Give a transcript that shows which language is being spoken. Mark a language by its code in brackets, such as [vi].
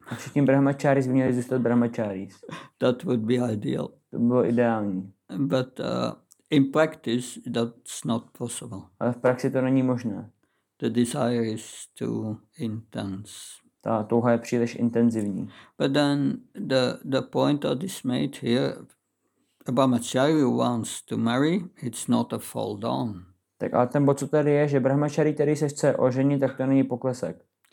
[cs] A všichni brahmacharis by měli zůstat brahmacharis. [en] That would be ideal. [cs] To by bylo ideální. [en] But in practice, that's not possible. [cs] Ale v praxi to není možné. [en] The desire is too intense. [cs] Ta touha je příliš intenzivní. [en] But then the point that is made here, a brahmachari wants to marry, it's not a fall down. [cs] Tak ale ten bod, co tady je, že brahmačari, který se chce oženit, tak to není poklesek.